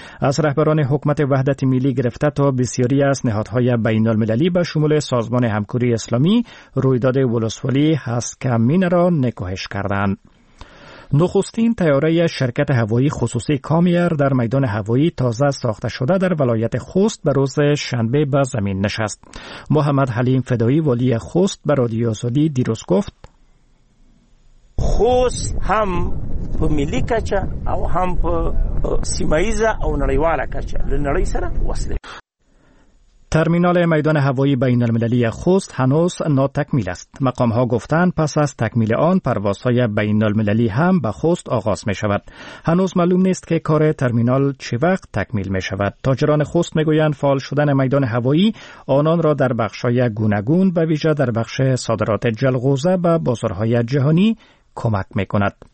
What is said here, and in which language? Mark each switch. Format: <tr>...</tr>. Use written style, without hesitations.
<fa>از رهبران حکومت وحدت ملی گرفته تا بسیاری از نهادهای بین المللی به شمول سازمان همکاری اسلامی رویداد ولسوالی هسکمینه را نکوهش کردند. نخستین تیاره شرکت هوایی خصوصی کامیر در میدان هوایی تازه ساخته شده در ولایت خوست به روز شنبه به زمین نشست. محمد حلیم فدایی والی خوست به رادیو آزادی دیروز گفت</fa> <ps>خوست هم په ملی کچه او هم په سیمایزه او نریواله کچه لنری سره وصله.</ps> <fa>ترمینال میدان هوایی بین المللی خوست هنوز ناتکمیل است. مقام ها گفتند پس از تکمیل آن پروازهای بین المللی هم به خوست آغاز می شود. هنوز معلوم نیست که کار ترمینال چه وقت تکمیل می شود. تاجران خوست می گویند فعال شدن میدان هوایی آنان را در بخشای گوناگون به ویژه در بخش صادرات جلغوزه به بازارهای جهانی کمک می کند.</fa>